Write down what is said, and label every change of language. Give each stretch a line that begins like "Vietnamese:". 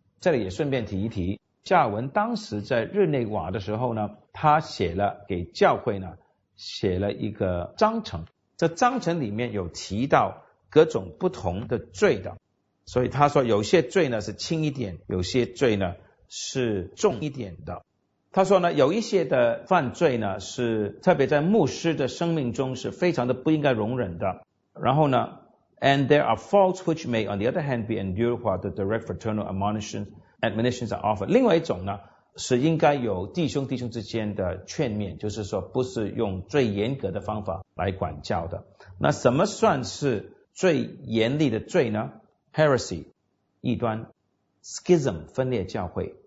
Chinese: 这里也顺便提一提，加尔文当时在日内瓦的时候呢，他写了给教会呢写了一个章程，这章程里面有提到各种不同的罪的。所以他说有些罪呢是轻一点，有些罪呢是重一点的。他说呢，有一些的犯罪呢，是特别在牧师的生命中是非常的不应该容忍的。然后呢
English: ，and there are faults which may, on the other hand, be endured while the direct fraternal admonitions are offered.
Chinese: 另外一种呢，是应该有弟兄之间的劝勉，就是说不是用最严格的方法来管教的。那什么算是最严厉的罪呢 ？Heresy， 异端 ；schism， 分裂教会。